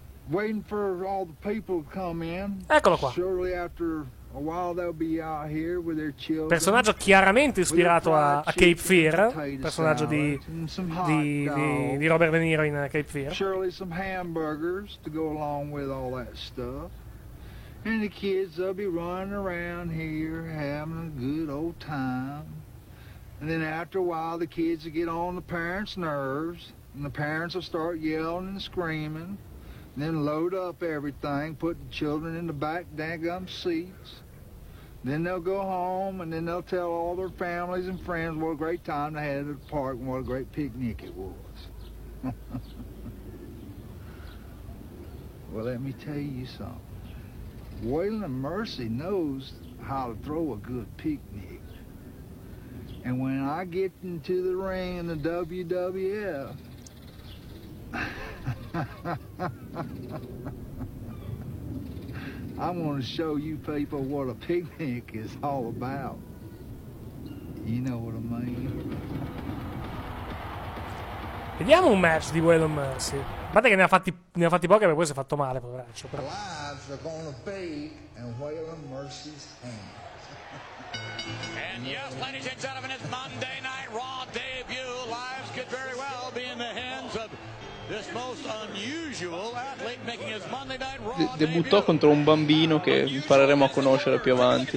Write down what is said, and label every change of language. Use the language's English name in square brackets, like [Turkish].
[English] Waiting for all the people to come in. [Italian] Eccolo qua. [English] Shortly after a while they'll be out here with their children. [Italian] Personaggio chiaramente ispirato a Cape Fear, personaggio di Robert De Niro in Cape Fear. [English] Surely some hamburgers to go along with all that stuff. And the kids will be running around here having a good old time. And then after a while the kids will get on the parents' nerves and the parents will start yelling and screaming. Then load up everything, put the children in the back daggum seats. Then they'll go home and then they'll tell all their families and friends what a great time they had at the park and what a great picnic it was. Well, let me tell you something. Waylon and Mercy knows how to throw a good picnic. And when I get into the ring in the WWF, I want to show you people what a picnic is all about. You know what I mean? [Italian] Vediamo un match di Wild Mercy. A parte che ne ha fatti pochi, perché poi si è fatto male, poveraccio. Però. [English] Lives are gonna be in Wild Mercy's hands. And yes, ladies and gentlemen, it's Monday Night Raw debut. Lives could very well be in the hands of this most unusual athlete making his Monday Night Raw debut. [Italian] Debuttò contro un bambino che impareremo a conoscere più avanti.